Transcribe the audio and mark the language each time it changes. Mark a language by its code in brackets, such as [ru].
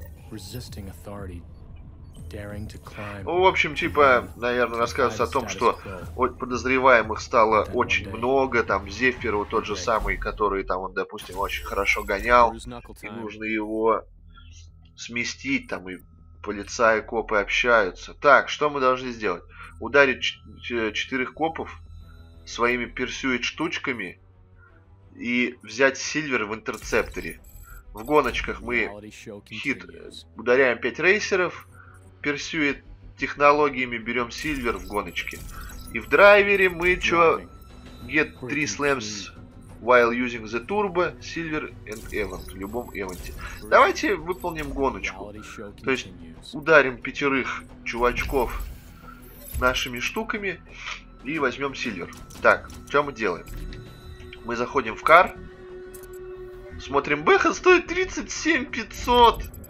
[en] Resisting authority, daring to climb. [ru] Ну, в общем, типа, наверное, рассказывают о том, что подозреваемых стало очень много. Там Зефир, вот тот же самый, который там, он, допустим, очень хорошо гонял. И нужно его сместить, там, и полицаи, копы общаются. Так, что мы должны сделать? Ударить 4 копов своими персюит-штучками и взять Сильвер в интерцепторе. В гоночках мы хит ударяем 5 рейсеров, персюит технологиями, берем Сильвер в гоночке. И в драйвере мы чё, [en] get 3 slams while using the turbo, Silver and Event, [ru] в любом Event. Давайте выполним гоночку, то есть ударим 5 чувачков нашими штуками и возьмем Silver. Так, что мы делаем? Мы заходим в кар. Смотрим, бэха стоит 37500.